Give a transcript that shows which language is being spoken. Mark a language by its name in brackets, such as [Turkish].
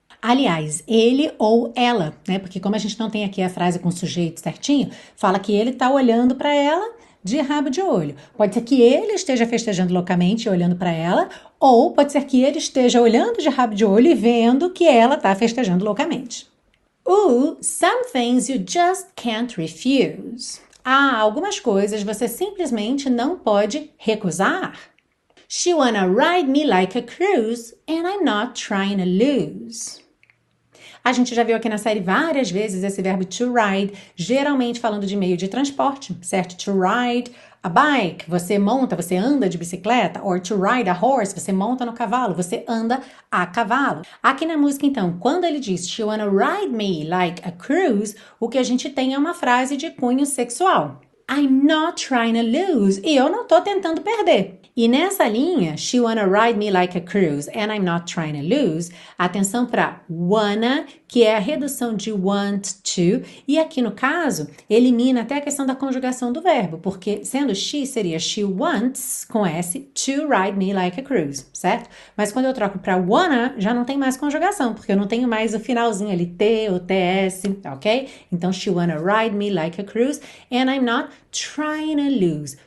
[Portuguese] Aliás, ele ou ela, né? Porque como a gente não tem aqui a frase com sujeito certinho, fala que ele tá olhando pra ela de rabo de olho. Pode ser que ele esteja festejando loucamente e olhando pra ela, ou pode ser que ele esteja olhando de rabo de olho e vendo que ela tá festejando loucamente. [English] Ooh, some things you just can't refuse. [Portuguese] Há algumas coisas você simplesmente não pode recusar. [English] She wanna ride me like a cruise, and I'm not trying to lose. [Portuguese] A gente já viu aqui na série várias vezes esse verbo to ride, geralmente falando de meio de transporte, certo? [English] To ride a bike, [Portuguese] você monta, você anda de bicicleta, [English] or to ride a horse, [Portuguese] você monta no cavalo, você anda a cavalo. Aqui na música, então, quando ele diz [English] She wanna ride me like a cruise, [Portuguese] o que a gente tem é uma frase de cunho sexual. [English] I'm not trying to lose. [Portuguese] E eu não tô tentando perder. E nessa linha, [English] she wanna ride me like a cruise, and I'm not trying to lose. [Portuguese] Atenção para wanna, que é a redução de want to, e aqui no caso, elimina até a questão da conjugação do verbo, porque sendo she, seria [English] she wants [Portuguese] com S [English] to ride me like a cruise, [Portuguese] certo? Mas quando eu troco para wanna, já não tem mais conjugação, porque eu não tenho mais o finalzinho ali, T ou TS, ok? [English] Então, she wanna ride me like a cruise, and I'm not trying to lose.